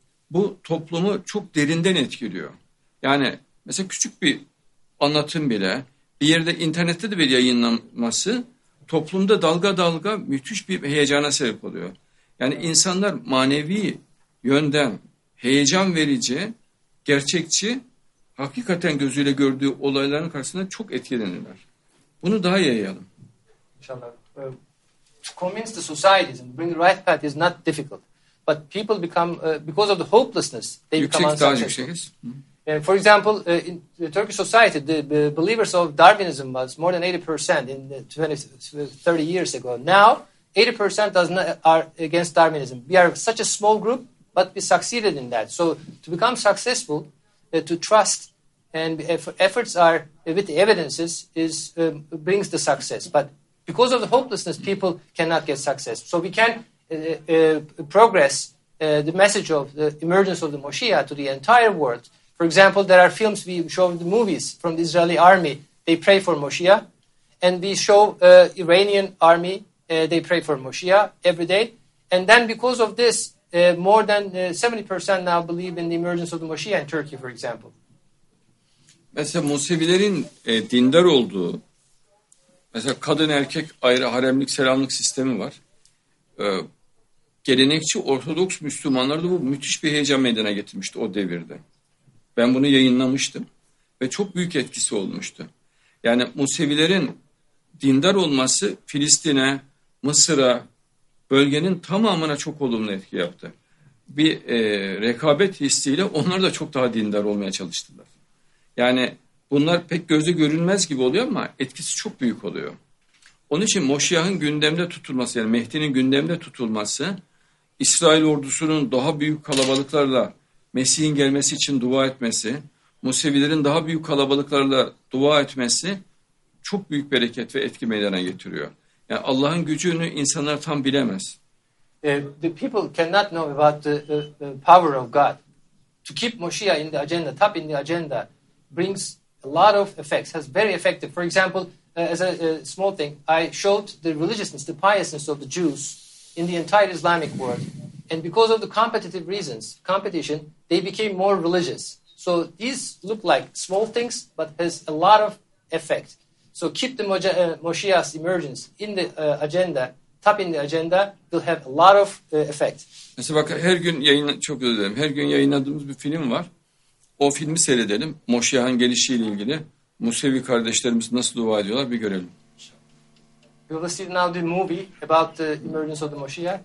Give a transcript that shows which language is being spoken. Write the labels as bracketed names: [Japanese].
[Turkish] Bu toplumu çok derinden etkiliyor. Yani mesela küçük bir anlatım bile, bir yerde internette de bir yayınlanması toplumda dalga dalga müthiş bir heyecana sebep oluyor. Yani insanlar manevi yönden heyecan verici, gerçekçi, hakikaten gözüyle gördüğü olayların karşısında çok etkilenirler. Bunu daha yayalım. İnşallah. [English] To convince the societies and bring the right path is not difficult. But people become, because of the hopelessness, they [Turkish] yüksek, [English] become unsuccessful. For example, in the Turkish society, the believers of Darwinism was more than 80% in the 30 years ago. Now, 80% does not, are against Darwinism. We are such a small group, but we succeeded in that. So to become successful, to trust and efforts are with the evidences is brings the success. But because of the hopelessness, people cannot get success. So we can progress the message of the emergence of the Moshiach to the entire world. For example, there are films we show in the movies from the Israeli army. They pray for Moshiach. And we show Iranian army. They pray for Moshiach every day. And then because of this, more than 70% now believe in the emergence of the Moshiach in Turkey, for example. [Turkish] Mesela Musevilerin dindar olduğu, mesela kadın erkek ayrı haremlik selamlık sistemi var. Gelenekçi Ortodoks Müslümanlar da bu müthiş bir heyecan meydana getirmişti o devirde. Ben bunu yayınlamıştım ve çok büyük etkisi olmuştu. Yani Musevilerin dindar olması Filistin'e, Mısır'a, bölgenin tamamına çok olumlu etki yaptı. Bir rekabet hissiyle onlar da çok daha dindar olmaya çalıştılar. Yani bunlar pek gözle görünmez gibi oluyor ama etkisi çok büyük oluyor. Onun için Moşiyah'ın gündemde tutulması, yani Mehdi'nin gündemde tutulması, İsrail ordusunun daha büyük kalabalıklarla Mesih'in gelmesi için dua etmesi, Musevilerin daha büyük kalabalıklarla dua etmesi çok büyük bereket ve etki meydana getiriyor. Yani Allah'ın gücünü insanlar tam bilemez. [English] The people cannot know about the power of God. To keep Moshiach in the agenda, top in the agenda, brings a lot of effects, has very effective. For example, as a small thing, I showed the religiousness, the piousness of the Jews in the entire Islamic world. And because of the competitive reasons, competition, they became more religious. So these look like small things, but has a lot of effect. So keep the Moshiach's emergence in the agenda, top in the agenda, will have a lot of effect. [Turkish] Mesela bak, her gün çok özür dilerim. Her gün yayınladığımız bir film var. O filmi seyredelim. Moşiyah'ın gelişiyle ilgili Musevi kardeşlerimiz nasıl dua ediyorlar bir görelim. [English] You will see now the movie about the emergence of the Moshiach.